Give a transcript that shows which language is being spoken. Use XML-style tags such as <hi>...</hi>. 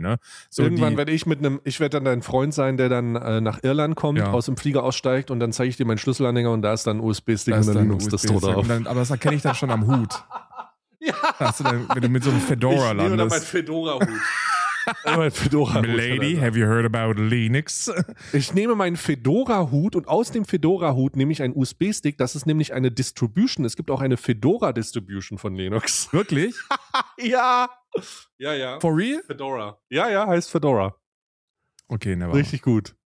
<de>Ne? So irgendwann werde dann dein Freund sein, der dann nach Irland kommt, aus dem Flieger aussteigt und dann zeige ich dir meinen Schlüsselanhänger und da ist dann ein USB-Stick und dann nimmst du das Tod auf. Aber das erkenne ich dann schon am Hut. Ja. Wenn du mit so einem Fedora landest. Ich nehme dann meinen Fedora-Hut. Fedora.</de> <en>Milady, have you heard about Linux?</en> <de>Ich nehme meinen Fedora-Hut und aus dem Fedora-Hut nehme ich einen USB-Stick. Das ist nämlich eine Distribution. Es gibt auch eine Fedora-Distribution von Linux. Wirklich? Ja. Ja, ja.</de> <en>For real?</en> <de>Fedora. Ja, ja, heißt Fedora.</de> <en>Okay, never.</en> <de>Richtig gut.</de>